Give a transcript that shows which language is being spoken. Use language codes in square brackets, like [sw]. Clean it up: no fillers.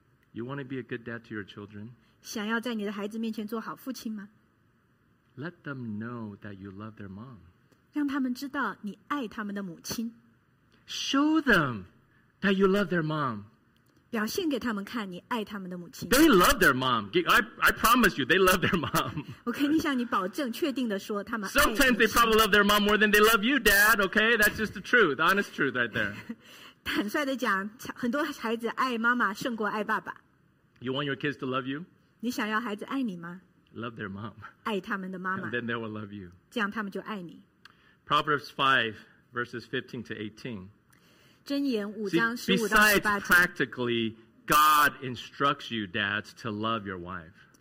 [en] You want to be a good dad to your children? [zh] 想要在你的孩子面前做好父亲吗？ [en] Let them know that you love their mom. [zh] 让他们知道你爱他们的母亲。 [en] Show them that you love their mom. [zh] 表现给他们看你爱他们的母亲。 [en] They love their mom. I promise you, they love their mom. [zh] 我可以向你保证，确定的说，他们爱母亲。 [en] Sometimes they probably love their mom more than they love you, Dad. Okay, that's just the truth, the honest truth right there. [zh] 坦率地讲，很多孩子爱妈妈胜过爱爸爸。 [en] You want your kids to love you? [zh] 你想要孩子爱你吗？ [en] Love their mom. [zh] 爱他们的妈妈。 [en] And then they will love you. [zh] 这样他们就爱你。 [en] Proverbs 5, verses 15 to 18. [zh] 箴言5章15到18节。 [en] Besides practically, God instructs you, dads, to love your wife.